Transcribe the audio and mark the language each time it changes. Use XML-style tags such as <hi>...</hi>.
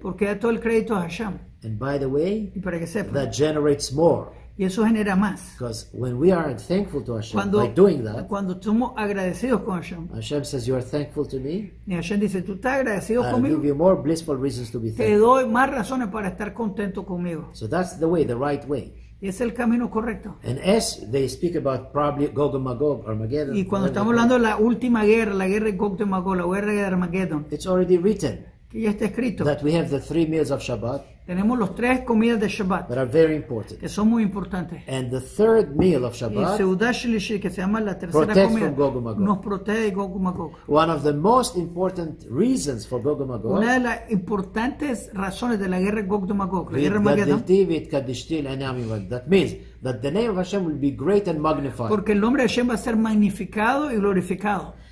<es>Porque da todo el crédito a Hashem.</es> <en>And by the way,</en> <es>y para que sepa,</es> <en>that generates more.</en> <es>Y eso genera más.</es> <en>Because when we are thankful to Hashem</en> <es>cuando,</es> <en>by doing that,</en> <es>cuando estamos agradecidos con Hashem,</es> <en>Hashem says, "You are thankful to me."</en> <es>Y Hashem dice, "Tú estás agradecido</es> <en>I'll</en> <es>conmigo."</es> <en>I'll give you more blissful reasons to be thankful.</en> <es>Te doy más razones para estar contento conmigo.</es> <en>So that's the way, the right way.</en> <es>Y es el camino correcto.</es> <en>And as they speak about probably Gog and Magog, Armageddon.</en> <es>Y cuando estamos hablando de la última guerra, la guerra de Gog y Magog, la guerra de Armageddon.</es> <en>It's already written.</en> <es>Que ya está escrito.</es> <en>That we have the three meals of Shabbat.</en> <es>Tenemos los tres comidas de Shabbat.</es> <en>That are very important.</en> <es>Que son muy importantes.</es> <en>And the third meal of Shabbat.</en> <es>Y seudá shlishi, que se llama la tercera</es> <en>protects</en> <es>comida.</es> <en>From Gog and Magog.</en> <es>Nos protege de Gog y Magog.</es> <en>One of the most important reasons for Gog and Magog.</en> <es>Una de las importantes razones de la guerra de Gog y Magog. La guerra de Magog. David kadishtil anami vad.</es> <en>That means that the name of Hashem will be great and magnified.</en> <es>Porque el nombre de Hashem va a ser magnificado y glorificado.</es>